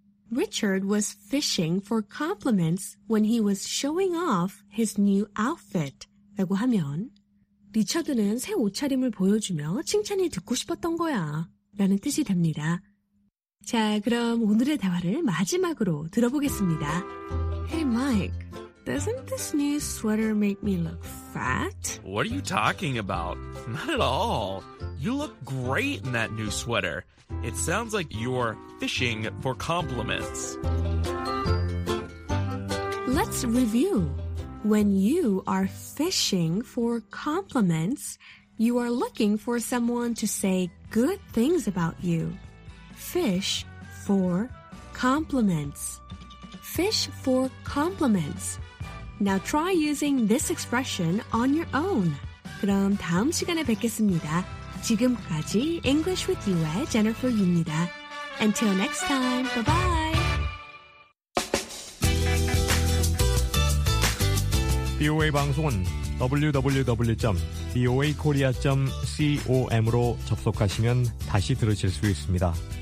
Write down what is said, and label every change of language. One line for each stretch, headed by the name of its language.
English: Richard was fishing for compliments when he was showing off his new outfit.
Korean: 라고 하면, 리처드는 새 옷차림을 보여주며 칭찬이 듣고 싶었던 거야. 라는 뜻이 됩니다. 자, 그럼 오늘의 대화를 마지막으로 들어보겠습니다.
English: Hey, Mike, doesn't this new sweater make me look fat? What are you talking about? Not at all. You look great in that new sweater. It sounds like you're fishing for compliments. Let's review. When you are fishing for compliments, you are looking for someone to say good things about you. Fish for compliments. Fish for compliments. Now try using this expression on your own.
Korean: 그럼 다음 시간에 뵙겠습니다. 지금까지
English: English with You
Korean: 의 Jennifer Yu입니다.
English: Until next time, bye-bye. VOA 방송은 www.voakorea.com으로 접속하시면 다시 들으실 수 있습니다.